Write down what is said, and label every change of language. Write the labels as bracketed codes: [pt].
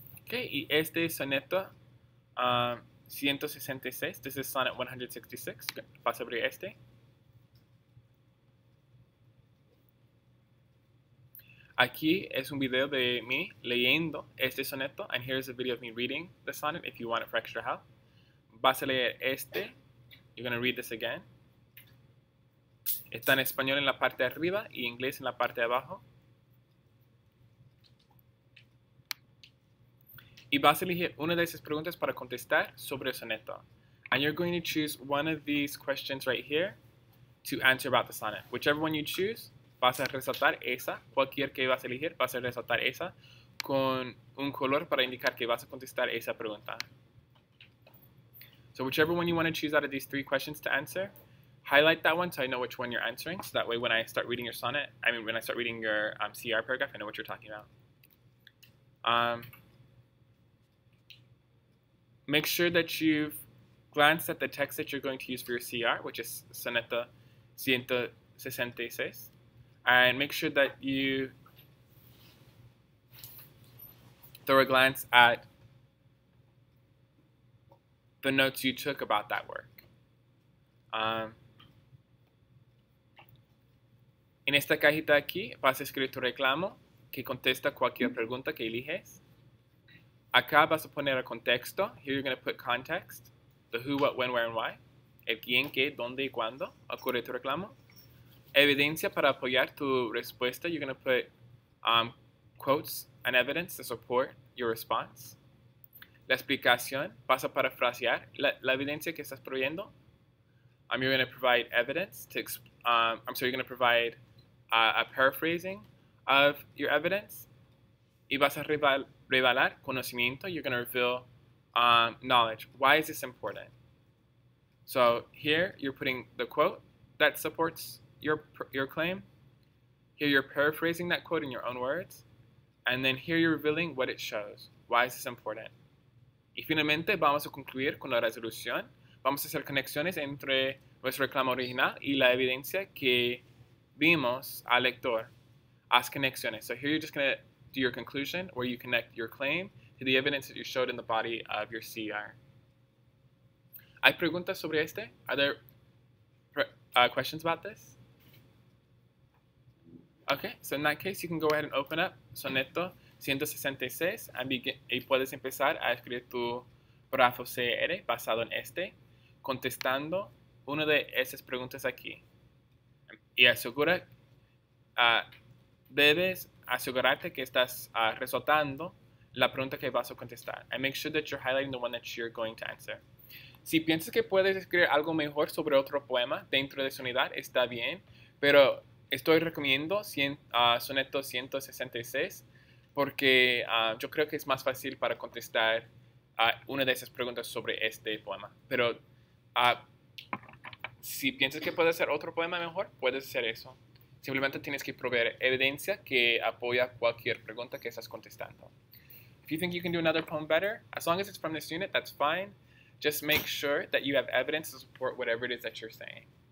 [es] Okay, y este es soneto 166. [en] This is sonnet 166. [es] Vas a abrir este. Aquí es un video de mí leyendo este soneto. [en] And here is a video of me reading the sonnet if you want it for extra help. [es] Vas a leer este. [en] You're going to read this again. [es] Está en español en la parte de arriba y inglés en la parte de abajo. Y vas a elegir una de esas preguntas para contestar sobre el soneto. [en] And you're going to choose one of these questions right here to answer about the sonnet. Whichever one you choose, [es] vas a resaltar esa. Cualquier que vas a elegir, vas a resaltar esa con un color para indicar que vas a contestar esa pregunta. [en] So whichever one you want to choose out of these three questions to answer, highlight that one so I know which one you're answering. So that way when I start reading your sonnet, I mean when I start reading your CR paragraph, I know what you're talking about. Make sure that you've glanced at the text that you're going to use for your CR, which is soneto 166, and make sure that you throw a glance at the notes you took about that work. [es] En esta cajita aquí vas a escribir tu reclamo que contesta cualquier pregunta que eliges. Acá vas a poner el contexto. [en] Here you're going to put context. The who, what, when, where, and why. [es] El quién, qué, dónde y cuándo. Acorde tu reclamo. evidencia para apoyar tu respuesta, [en] you're going to put quotes and evidence to support your response. [es] La explicación, vas a parafrasear la evidencia que estás proveyendo. [en] You're going to provide evidence to, you're going to provide a paraphrasing of your evidence. [es] Y vas a revelar conocimiento, [en] you're going to reveal knowledge. Why is this important? So here you're putting the quote that supports your claim. Here you're paraphrasing that quote in your own words. And then here you're revealing what it shows. Why is this important? [es] Y finalmente vamos a concluir con la resolución. Vamos a hacer conexiones entre nuestro reclamo original y la evidencia que vimos al lector. Haz conexiones. [en] So here you're just going to do your conclusion where you connect your claim to the evidence that you showed in the body of your CER. [es] ¿Hay preguntas sobre este? [en] Are there questions about this? Okay, so in that case, you can go ahead and open up Soneto 166 and [es] y puedes empezar a escribir tu párrafo CER basado en este, contestando una de esas preguntas aquí. Y asegura, debes asegurarte que estás resaltando la pregunta que vas a contestar. [en] And make sure that you're highlighting the one that you're going to answer. [es] Si piensas que puedes escribir algo mejor sobre otro poema dentro de su unidad, está bien, pero estoy recomiendo soneto 166 porque yo creo que es más fácil para contestar una de esas preguntas sobre este poema. Pero si piensas que puedes hacer otro poema mejor, puedes hacer eso. Simplemente tienes que proveer evidencia que apoya cualquier pregunta que estás contestando. [en] If you think you can do another poem better, as long as it's from this unit, that's fine. Just make sure that you have evidence to support whatever it is that you're saying.